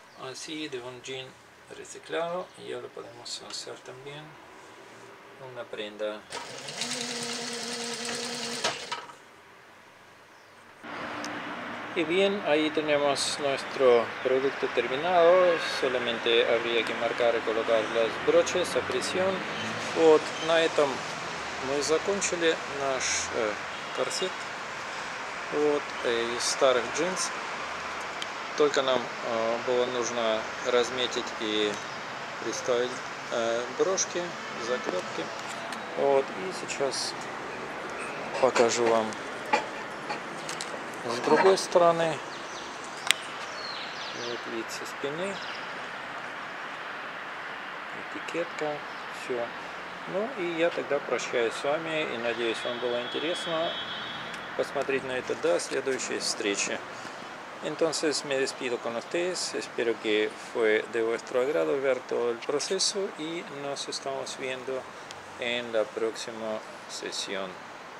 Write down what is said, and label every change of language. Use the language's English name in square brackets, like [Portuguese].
[Spanish] Así de un jean reciclado ya lo podemos hacer también una prenda. Y bien, ahí tenemos nuestro producto terminado, solamente habría que marcar y colocar las broches a presión. [Russian] Вот, на этом мы закончили наш корсет вот, из старых джинс. Только нам было нужно разметить и приставить брошки, заклепки. Вот, и сейчас покажу вам с другой стороны. Вот вид со спины. Этикетка, все. Ну и я тогда прощаюсь с вами и надеюсь, вам было интересно посмотреть на это до следующей встречи. [Spanish] Entonces me despido con ustedes, espero que fue de vuestro agrado ver todo el proceso y nos estamos viendo en la próxima sesión.